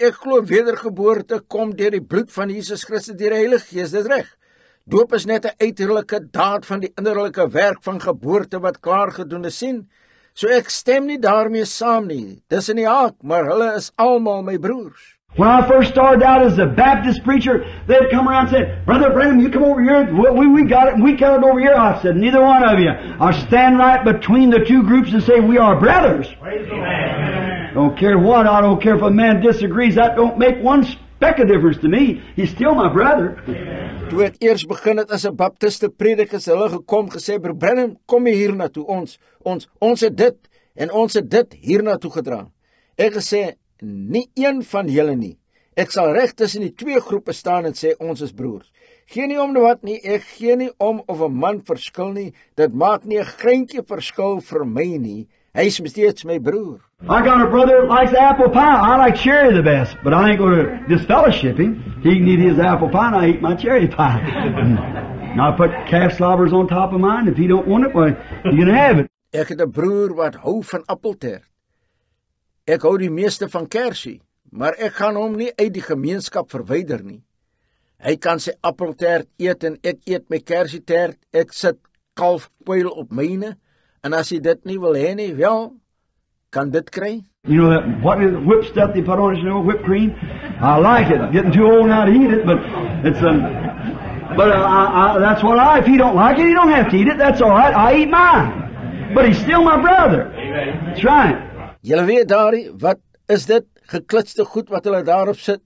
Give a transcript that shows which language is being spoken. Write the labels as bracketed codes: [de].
[af] Ek glo wedergeboorte kom deur die bloed van Jesus Christus, deur die Heilige Gees. Dit is reg. Doop is net 'n uiterlike daad van die innerlike werk van geboorte wat klaar gedoen is. Sien? So ek stem nie daarmee saam nie. Dis in die haak, maar hulle is almal my broers. [en] When I first started out as a Baptist preacher, they'd come around and say, Brother Branham, you come over here. We got it. We come over here. I said, neither one of you. I'll stand right between the two groups and say, we are brothers. Amen. Don't care what. I don't care if a man disagrees. That don't make one speck of difference to me. He's still my brother. [af] Toe ek eers begin het as 'n Baptiste predikus, hulle gekom gesê, Brother Branham, kom hier na toe. Ons het dit en ons het dit hier na toe gedra. Ek gesê, nie een van julle nie. Ek sal reg tussen die twee groepe staan en sê ons is broers. Geen nie om wat nie, ek gee nie om of 'n man verskil nie. Dit maak nie 'n greintjie verskil vir my nie. Hy is steeds my broer. [en] I got a brother that likes apple pie. I like cherry the best, but I ain't going to disfellowship him. He can eat his apple pie and I eat my cherry pie. And I put calf slobbers on top of mine. If he don't want it, well, you can have it. [af] Ek het 'n broer wat hou van appeltert. Ek hou die meeste van kersie, maar ek gaan hom nie uit die gemeenskap verwyder nie. Hy kan sy appeltert eet en ek eet my kersietert. Ek sit kalfpuil op myne en as hy dit nie wil hê nie, wel, kan dit kry. [en] You know that what is whip stuff they put on it, you know, whipped cream? I like it. Getting too old now to eat it, but it's that's what I, if he don't like it, he don't have to eat it. That's all right. I eat mine. But he's still my brother. Amen. That's right. [af] Julle weet daar, wat is dit geklitste goed wat hulle daarop sit?